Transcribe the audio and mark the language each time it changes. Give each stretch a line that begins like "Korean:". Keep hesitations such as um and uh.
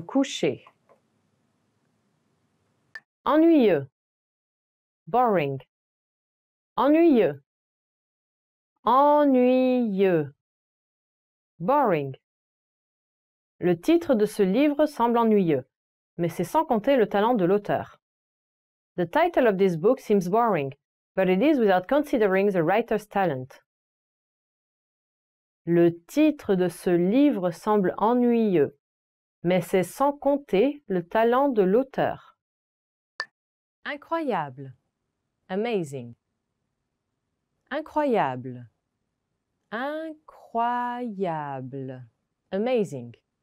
French: coucher ennuyeux, boring, ennuyeux, ennuyeux, boring. Le titre de ce livre semble ennuyeux, mais c'est sans compter le talent de l'auteur.
English: The title of this book seems boring, but it is without considering the writer's talent.
French: Le titre de ce livre semble ennuyeux, mais c'est sans compter le talent de l'auteur. Incroyable. Amazing. Incroyable. Incroyable. Amazing.